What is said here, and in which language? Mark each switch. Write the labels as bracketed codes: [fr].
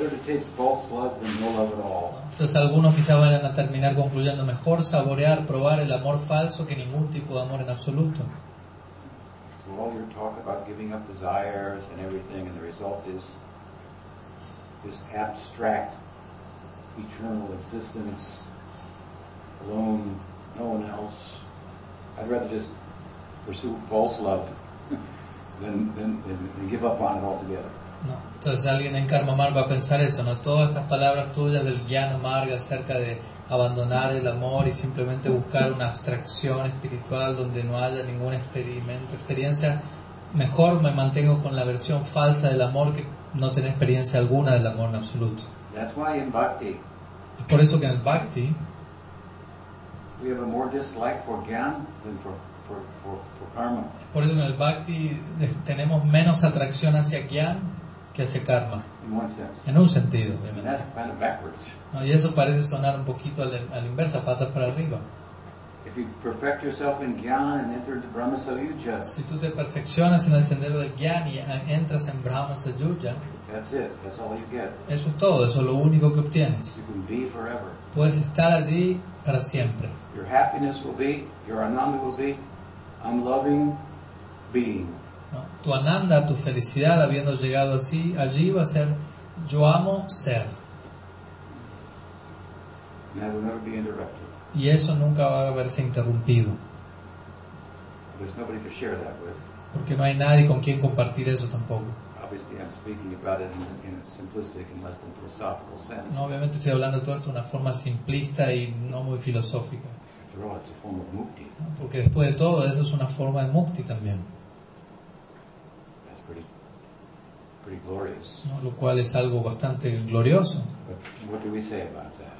[es] Entonces algunos quizás van a terminar concluyendo mejor saborear, probar el amor falso que ningún tipo de amor en absoluto. [en] So all your talk about giving up desires and everything, and the result is this abstract eternal existence, alone, no one else. I'd rather just pursue false love than give up on it altogether. [es] No. Entonces alguien en Karma Marg va a pensar eso, ¿no? Todas estas palabras tuyas del Gyan Marg acerca de abandonar el amor y simplemente buscar una abstracción espiritual donde no haya ningún experiencia, mejor me mantengo con la versión falsa del amor que no tener experiencia alguna del amor en absoluto. [en] That's why in Bhakti, [es] por eso que en el Bhakti [en] we have a more dislike for Gyan than for Karma. [es] Por eso que en el Bhakti tenemos menos atracción hacia Gyan que hacia Karma. [en] In one sense. [es] En un sentido. [en] And that's kind of backwards. [es] No, y eso parece sonar un poquito a la inversa, patas para arriba. [en] If you perfect yourself in Gyan and enter the Brahma Sayuja, [es] si tú te perfeccionas en el sendero de Gyan y entras en Brahma Sayuja, [en] that's it. That's all you get. [es] Eso es todo. Eso es lo único que obtienes. [en] You can be forever. [es] Puedes estar allí para siempre. [en] Your happiness will be, your ananda will be, I'm loving being. [es] No. Tu ananda, tu felicidad, habiendo llegado así, allí va a ser, yo amo ser. [en] And that will never be interrupted. [es] Y eso nunca va a verse interrumpido. [en] There's nobody to share that with. [es] Porque no hay nadie con quien compartir eso tampoco. [en] Obviously, I'm speaking about it in a simplistic and less than philosophical sense. [es] No, obviamente estoy hablando de todo esto de una forma simplista y no muy filosófica. [en] After all, it's a form of mukti. No, [es] porque después de todo, eso es una forma de mukti también. [en] That's pretty glorious. [es] No, lo cual es algo bastante glorioso. [en] But what do we say about that?